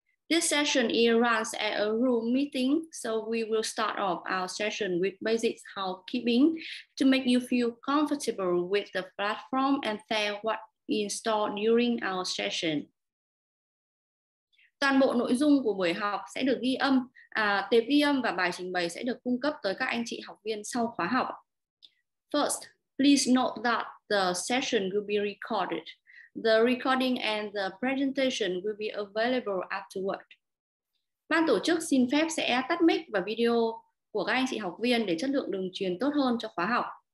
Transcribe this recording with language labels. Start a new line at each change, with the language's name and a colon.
English: This session is run at a room meeting, so we will start off our session with basic housekeeping to make you feel comfortable with the platform and share what we install during our session.
Vietnamese: Toàn bộ nội dung của buổi học sẽ được ghi âm, tệp ghi âm và bài trình bày sẽ được cung cấp tới các anh chị học viên sau khóa học.
English: First, please note that the session will be recorded. The recording and the presentation will be available afterward.
Vietnamese: Ban tổ chức xin phép sẽ tắt mic và video của các anh chị học viên để chất lượng đường truyền tốt hơn cho khóa học.